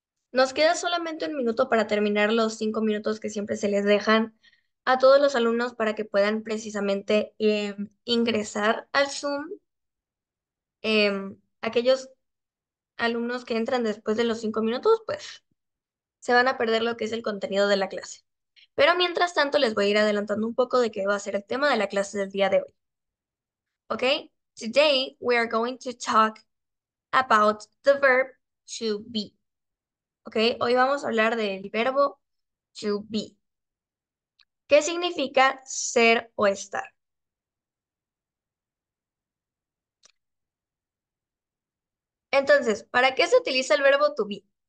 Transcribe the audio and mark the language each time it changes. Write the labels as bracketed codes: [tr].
[es] Nos queda solamente un minuto para terminar los 5 minutos que siempre se les dejan a todos los alumnos para que puedan precisamente ingresar al Zoom. Aquellos alumnos que entran después de los 5 minutos, pues se van a perder lo que es el contenido de la clase. Pero mientras tanto, les voy a ir adelantando un poco de qué va a ser el tema de la clase del día de hoy. [en] Ok, today we are going to talk about the verb to be. [es] Okay, hoy vamos a hablar del verbo to be. ¿Qué significa ser o estar? Entonces, ¿para qué se utiliza el verbo to be?